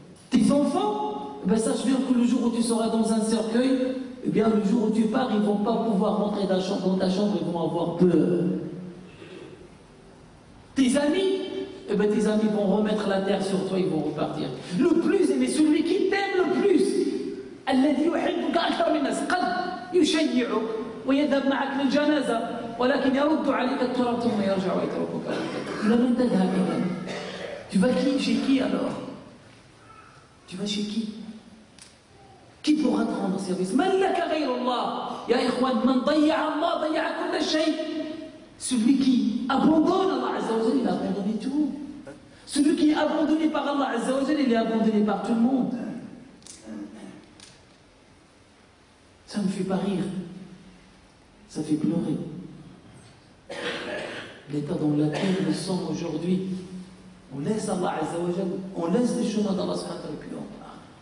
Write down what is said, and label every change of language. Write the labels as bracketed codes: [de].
[fr] Tes enfants? Eh bien, sache bien que le jour où tu seras dans un cercueil, eh bien, le jour où tu pars, ils ne vont pas pouvoir rentrer dans ta chambre, ils vont avoir peur. Tes amis, eh bien tes amis vont remettre la terre sur toi, ils vont repartir. Le plus aimé, celui qui t'aime le plus. [ar] الذي يحبك أكثر من الناس قد يشجعك ويذهب معك للجنازة ولكن يرد عليك التراب ثم يرجع ويتركك. لمن تذهب إذا؟ [fr] Tu vas qui chez qui alors? Tu vas chez qui? Qui pourra te rendre service? [ar] من لك غير الله؟ يا إخوان من ضيع الله ضيع كل شيء. [fr] Celui qui abandonne Allah Azza wa Jalla, il a abandonné tout. Celui qui est abandonné par Allah Azza wa Jalla, il est abandonné par tout le monde. Ça me fait pas rire. Ça fait pleurer. L'état dans lequel nous sommes aujourd'hui, on laisse Allah Azza wa Jalla, on laisse les chemins d'Allah Subhanahu wa Ta'ala, et puis on part.